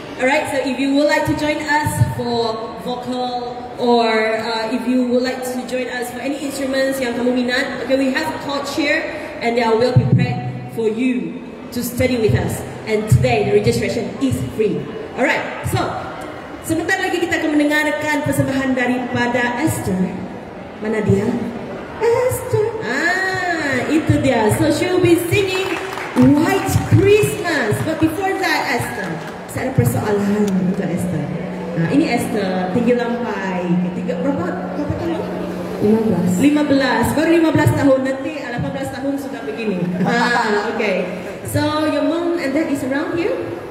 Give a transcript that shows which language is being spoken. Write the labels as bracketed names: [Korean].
[English] Alright, so if you would like to join us for vocal, or if you would like to join us for any instruments [Malay] yang kamu minat, [English] okay, we have a coach here and they are well prepared for you to study with us. And today the registration is free. [Malay] Alright, so sebentar lagi kita akan mendengarkan persembahan daripada Esther. Mana dia? Esther. Ah, itu dia. [English] So she'll be singing White Christmas. But before that, [Malay] Esther, saya ada persoalan untuk Esther. Nah, ini Esther, tinggi lampai. Ketiga, berapa tahun? 15. Baru 15 tahun, nanti 18 tahun sudah begini. Ah, okay. [English] So, your mom and dad is around you?